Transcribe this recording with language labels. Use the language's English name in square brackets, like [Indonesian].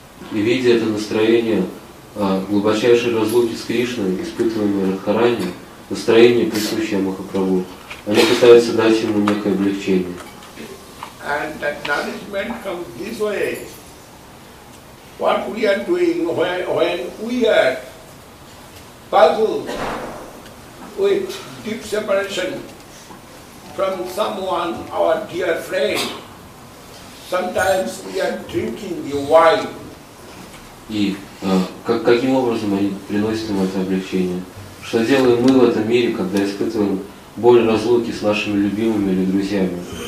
[Russian] И видя это настроение глубочайшей разлуки с Кришной, испытываемой Радхарани, настроение, присущее Махапрабху, они пытаются дать ему некое облегчение. [English] And that nourishment comes this way. What we are doing when we are puzzled with deep separation from someone, our dear friend, sometimes we are drinking the wine. [Russian] И каким образом они приносят ему это облегчение? Что делаем мы в этом мире, когда испытываем боль разлуки с нашими любимыми или друзьями?